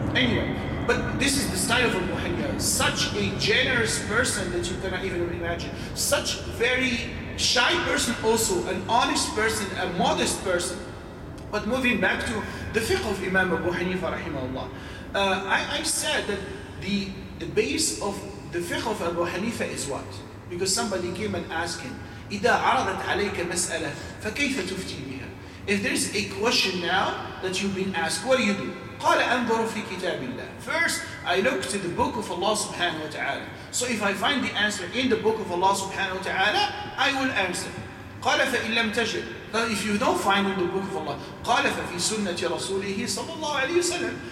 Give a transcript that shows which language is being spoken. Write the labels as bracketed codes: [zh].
[en] Anyway, but this is the style of Abu Hanifa. Such a generous person that you cannot even imagine. Such very shy person also. An honest person, a modest person. But moving back to the fiqh of Imam Abu Hanifa, rahimahullah. I said that the base of the fiqh of Abu Hanifa is what? Because somebody came and asked him, [ar] إِذَا عَرَضَتْ عَلَيْكَ مَسْأَلَةً فَكَيْفَ تُفْتِي بِهَا. [en] If there is a question now that you've been asked, what do you do? [ar] قَالَ أَنْظُرُ فِي كِتَابِ اللَّهِ. [en] First, I look to the book of Allah subhanahu wa ta'ala. So if I find the answer in the book of Allah subhanahu wa ta'ala, I will answer. [ar] قَالَ فَإِنْ لَمْ تَجِدْ. [en] Now if you don't find in the book of Allah, [ar] قَالَ فَفِي سُنَّةِ رَسُولِهِ صَلَى اللَّهُ عَلَيْهِ وَسَلَمْ.